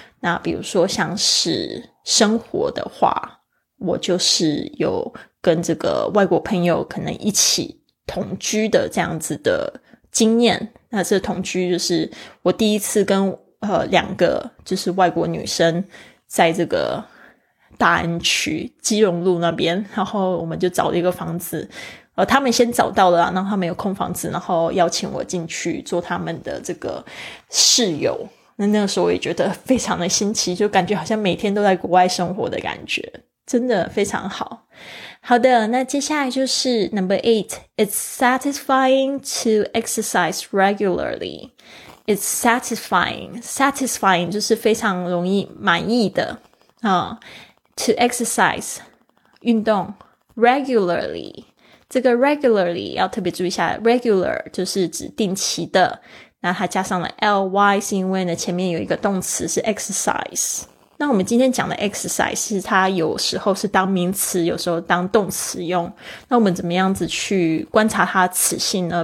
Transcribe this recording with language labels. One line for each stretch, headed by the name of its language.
Chinese: 那比如说像是生活的话，我就是有跟这个外国朋友可能一起同居的这样子的经验，那这同居就是我第一次跟两个就是外国女生在这个大安区基隆路那边，然后我们就找了一个房子，他们先找到了，然后他们有空房子，然后邀请我进去做他们的这个室友。那那个时候我也觉得非常的新奇，就感觉好像每天都在国外生活的感觉，真的非常好。好的，那接下来就是
English: number 8, It's satisfying to exercise regularly. It's satisfying.
Chinese: Satisfying 就是非常容易满意的啊。
English: To exercise, 运动 regularly.
Chinese: 这个 regularly 要特别注意一下， regular 就是指定期的，那它加上了 ly 是因为呢前面有一个动词是 exercise。那我们今天讲的 exercise 是它有时候是当名词，有时候当动词用，那我们怎么样子去观察它的词性呢？